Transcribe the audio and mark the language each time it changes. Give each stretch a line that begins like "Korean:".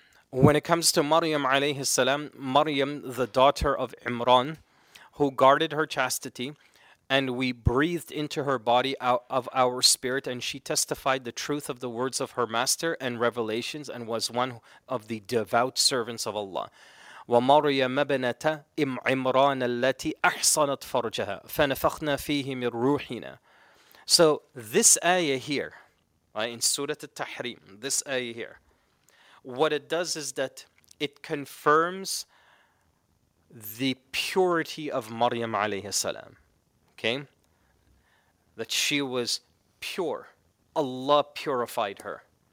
English: When it comes to Maryam alayhi salam, Maryam, the daughter of Imran, who guarded her chastity, and we breathed into her body out of our spirit, and she testified the truth of the words of her master and revelations, and was one of the devout servants of Allah.
Arabic: ومريم بنت عمران التي أحصنت فرجها فنفخنا فيه من روحنا.
English: So this ayah here, right, in Surah At-Tahrim, this ayah here, what it does is that it confirms the purity of Maryam alayhi salam. Okay? That she was pure. Allah purified her.